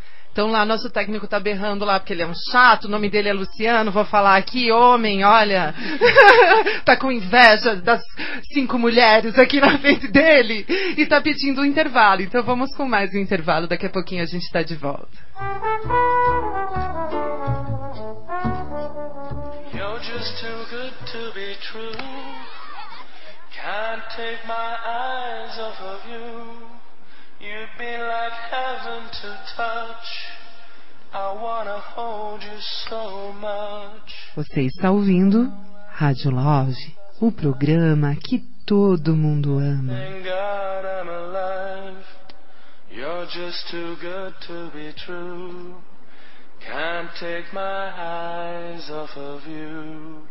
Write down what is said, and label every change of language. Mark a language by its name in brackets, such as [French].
[Portuguese] Então lá, nosso técnico tá berrando lá, porque ele é um chato, o nome dele é Luciano, vou falar aqui, homem, olha, tá com inveja das 5 mulheres aqui na frente dele, e tá pedindo um intervalo, então vamos com mais um intervalo, daqui a pouquinho a gente tá de volta. [English] You're just too good to be true, can't take my eyes off of you. You'd be like heaven to touch. I wanna hold you so much. [Portuguese] Você está ouvindo Rádio Love, o programa que todo mundo ama. [English] Thank God I'm alive. You're just too good to be true. Can't take my eyes off of you.